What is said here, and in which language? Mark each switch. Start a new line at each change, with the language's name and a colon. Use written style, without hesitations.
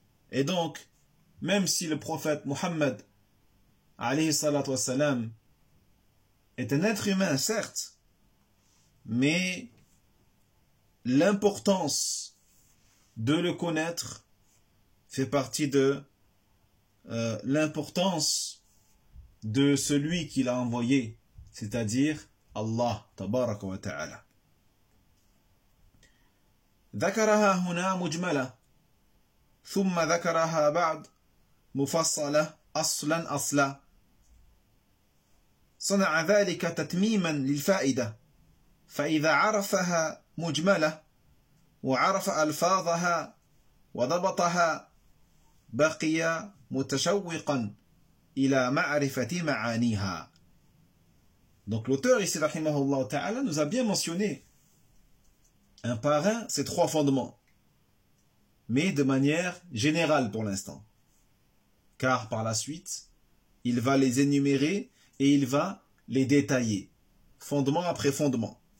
French: Et donc, même si le prophète Muhammad alayhi salatu wa sallam est un être humain, certes, mais l'importance de le connaître fait partie de l'importance de celui qui l'a envoyé, c'est-à-dire Allah tabaraka wa ta'ala.
Arabic: ذكرها هنا مجملة ثم ذكرها بعد مفصلة أصلا أصلا صنع ذلك تتميما للفائدة فإذا عرفها مجملة وعرف ألفاظها وضبطها بقي متشوقا إلى معرفة معانيها.
French: Donc l'auteur ici, rahimahullah ta'ala, nous a bien mentionné un par un ces trois fondements, mais de manière générale pour l'instant, car par la suite il va les énumérer et il va les détailler fondement après fondement.